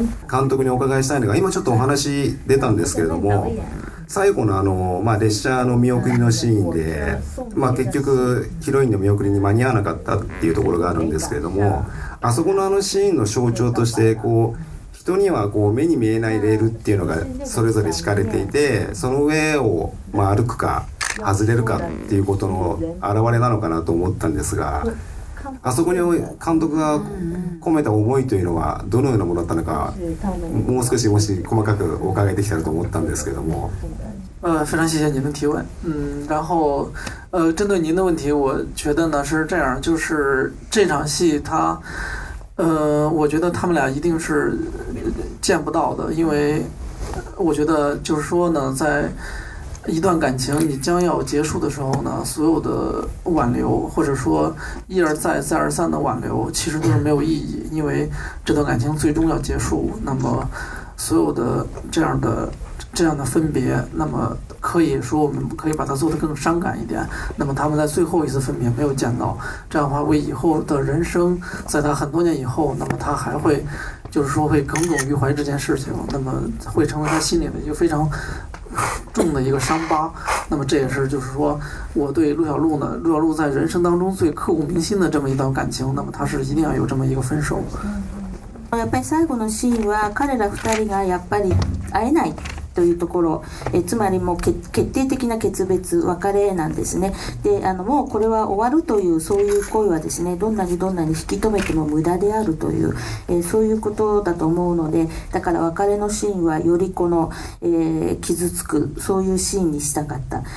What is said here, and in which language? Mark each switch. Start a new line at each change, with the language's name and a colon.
Japanese: 監督にお伺いしたいのが、今ちょっとお話出たんですけれども、最後の列車の見送りのシーンで、まあ、結局ヒロインの見送りに間に合わなかったっていうところがあるんですけれども、あそこのシーンの象徴として、こう人にはこう目に見えないレールっていうのがそれぞれ敷かれていて、その上を、まあ、歩くか外れるかっていうことの表れなのかなと思ったんですが、あそこに監督が込めた思いというのはどのようなものだったのか、もう少しもし細かくお伺いできたらと思ったんですけども。
Chinese: 非常谢谢您的提问。然后针对您的问题，我觉得呢是这样，就是这场戏它我觉得他们俩一定是见不到的，因为我觉得就是说呢，在一段感情你将要结束的时候呢，所有的挽留或者说一而再再而三的挽留其实都是没有意义，因为这段感情最终要结束，那么所有的这样的分别，那么可以说我们可以把它做得更伤感一点，那么他们在最后一次分别没有见到，这样的话为以后的人生，在他很多年以后，那么他还会就是说会耿耿于怀这件事情，那么会成为他心里的一个非常重的一个伤疤。那么这也是就是说我对陆小璐呢，陆小璐在人生当中最刻骨铭心的这么一段感情，那么他是一定要有这么一个分手。
Japanese: やっぱり最後のシーンは彼ら二人がやっぱり会えないというところ、つまりもう決定的な決別別れなんですね。で、もうこれは終わるというそういう声はですね、どんなに引き止めても無駄であるという、そういうことだと思うので、だから別れのシーンはよりこの、傷つくそういうシーンにしたかった。